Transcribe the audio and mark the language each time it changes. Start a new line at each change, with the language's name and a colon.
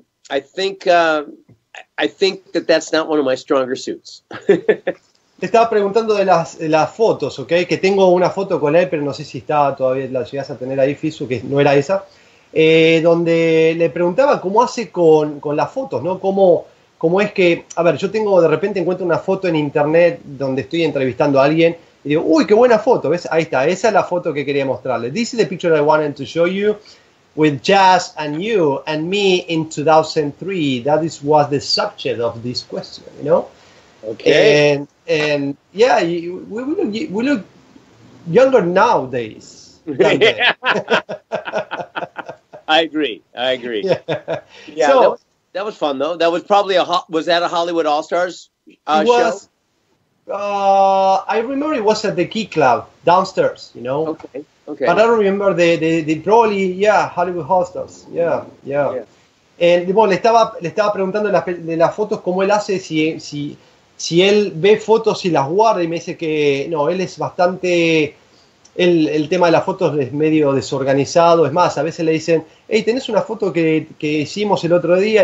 English: I think that that's not one of my stronger suits.
Spanish: Te estaba preguntando de las fotos, ¿ok? Que tengo una foto con él, pero no sé si está todavía, la llegas a tener ahí, Fisu, que no era esa. Donde le preguntaba cómo hace con las fotos, ¿no? Cómo es que, a ver, yo tengo de repente encuentro una foto en internet donde estoy entrevistando a alguien y digo, uy, qué buena foto, ¿ves? Ahí está, esa es la foto que quería mostrarle.
English: This is the picture I wanted to show you with Jazz and you and me in 2003. That is, was the subject of this question, you know? Okay. And yeah, we look younger nowadays. I agree. Yeah. So that was fun though. That was probably was that a Hollywood All-Stars show? I remember it was at the Key Club downstairs, you know. Okay. But I remember the probably, yeah, Hollywood All-Stars. Yeah.
Spanish: Bueno, le estaba preguntando de las fotos cómo él hace si él ve fotos y las guarda y me dice que no, él es bastante. El tema de las fotos es medio desorganizado. Es más, a veces le dicen, hey, ¿tenés una foto que hicimos el otro día?